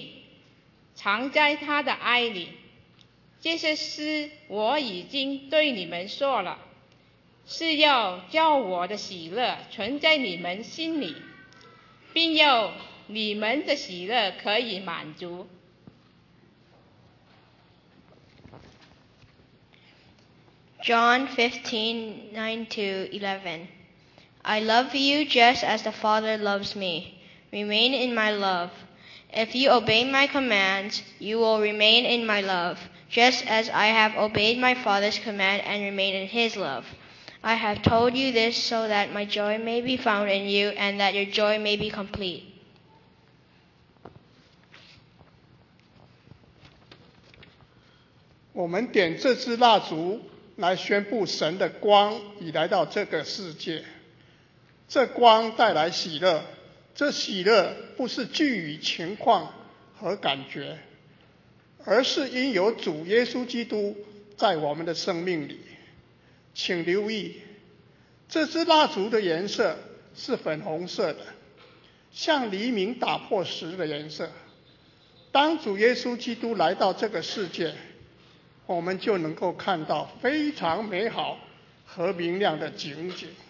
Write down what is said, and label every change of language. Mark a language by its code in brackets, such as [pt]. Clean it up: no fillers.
[zh] 今天我们读要读的是约翰福音15章，从9到11节。我爱你们，正如父爱我一样。你们要常在我的爱里，你们若遵守我的命令，就常在我的爱里。正如我遵守了我父的命令，常在他的爱里。这些事我已经对你们说了，是要叫我的喜乐存在你们心里，并要你们的喜乐可以满足。John [en] 15:9-11. I love you just as the Father loves me. Remain in my love. If you obey my commands, you will remain in my love, just as I have obeyed my Father's command and remain in his love. I have told you this so that my joy may be found in you and that your joy may be complete. We light this candle to announce that God's light has come to this world. This light brings joy. [zh] 这喜乐不是基于情况和感觉，而是因有主耶稣基督在我们的生命里。请留意，这支蜡烛的颜色是粉红色的，像黎明打破时的颜色。当主耶稣基督来到这个世界，我们就能够看到非常美好和明亮的景象。